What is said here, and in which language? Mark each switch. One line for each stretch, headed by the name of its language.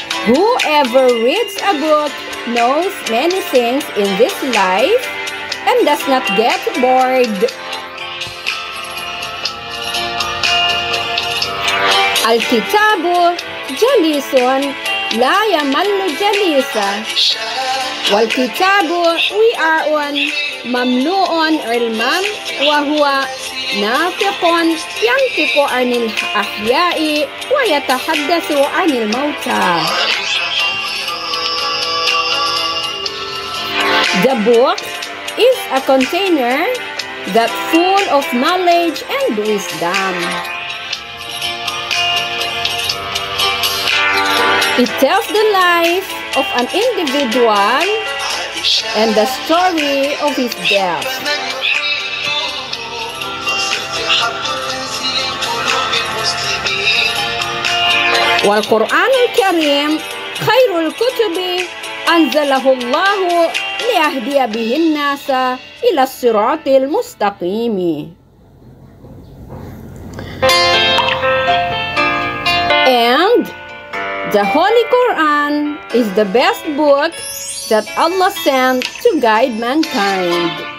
English: Whoever reads a book knows many things in this life and does not get bored.
Arabic: الكتاب جليس لا يمل جليسا والكتاب وعاء مملوء علما وهو ناطق ينطق عن الأحياء ويتحدث عن الموتى.
English: The book is a container that full of knowledge and wisdom. It tells the life of an individual and the story of his death.
Arabic: والقرآن الكريم خير الكتب أنزله الله ليهدي به الناس إلى الصراط المستقيم.
English: And the Holy Quran is the best book that Allah sent to guide mankind.